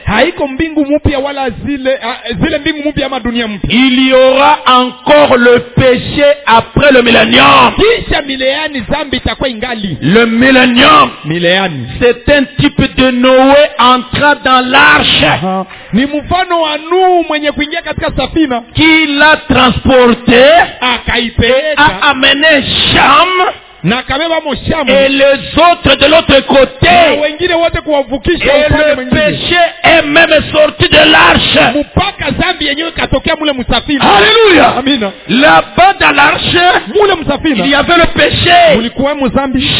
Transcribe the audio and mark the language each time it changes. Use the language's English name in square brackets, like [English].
[Swahili] Haiko mbingu mupya wala zile mbingu mupya ama dunia mpya. [French] Il y aura encore le péché après le millénium. [Swahili] Kisha mileani zambi itakuwa ingali. [French] Le millénium. [Swahili] Mileani. [French] C'est un type de Noé entrant dans l'arche. [Swahili] Ni mfano wa Nuhu mwenye kuingia katika safina. [French] Qui l'a transporté. [Swahili] Akaipeleka. [French] A amené Cham. Et les autres de l'autre côté. Et le péché est même sorti de l'arche. Alléluia. Là-bas dans l'arche, il y avait le péché.